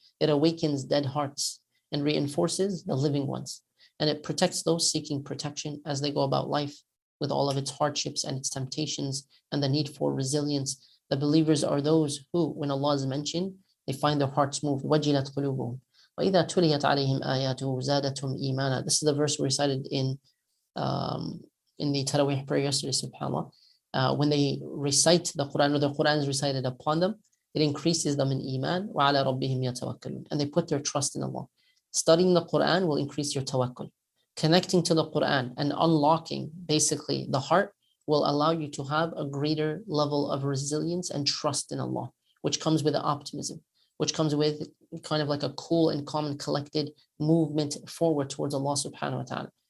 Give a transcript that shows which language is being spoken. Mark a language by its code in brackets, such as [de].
[en] It awakens dead hearts and reinforces the living ones. And it protects those seeking protection as they go about life with all of its hardships and its temptations and the need for resilience. The believers are those who, when Allah is mentioned, they find their hearts moved. [ar] وَجِلَتْ قُلُوبُهُمْ. وإذا تليت عليهم آياته زادتهم إيمانا. [en] This is the verse we recited in the Taraweeh prayer yesterday, subhanAllah. When they recite the Quran, or the Quran is recited upon them, it increases them in iman, [ar] وَعَلَى رَبِّهِمْ يَتَوَكَّلُونَ, [en] and they put their trust in Allah. Studying the Quran will increase your tawakkul. Connecting to the Quran and unlocking, basically, the heart will allow you to have a greater level of resilience and trust in Allah, which comes with optimism, which comes with kind of like a cool and calm and collected movement forward towards Allah subhanahu wa ta'ala.